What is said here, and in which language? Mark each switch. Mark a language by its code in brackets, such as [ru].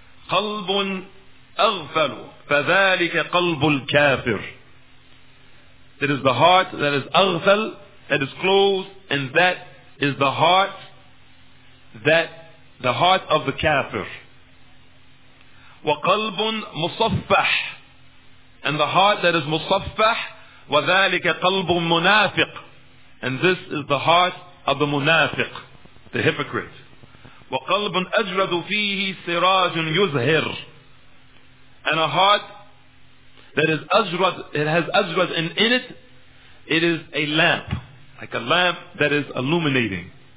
[ar] Qalbun Aghfalu. فَذَٰلِكَ قَلْبُ الْكَافِرِ. [en] It is the heart that is أغفل, that is closed, and that is the heart, that the heart of the kafir. [ar] وَقَلْبٌ مُصَفَّحٌ. [en] And the heart that is [ar] مُصَفَّح, وَذَٰلِكَ قَلْبُ مُنَافِقٌ. [en] And this is the heart of the munafiq, the hypocrite. [ar] وَقَلْبٌ أَجْرَدُ فِيهِ سِرَاجٌ يُزْهِرٌ. [en] And a heart that is ajrad, it has ajrad in it, it is a lamp, like a lamp that is illuminating.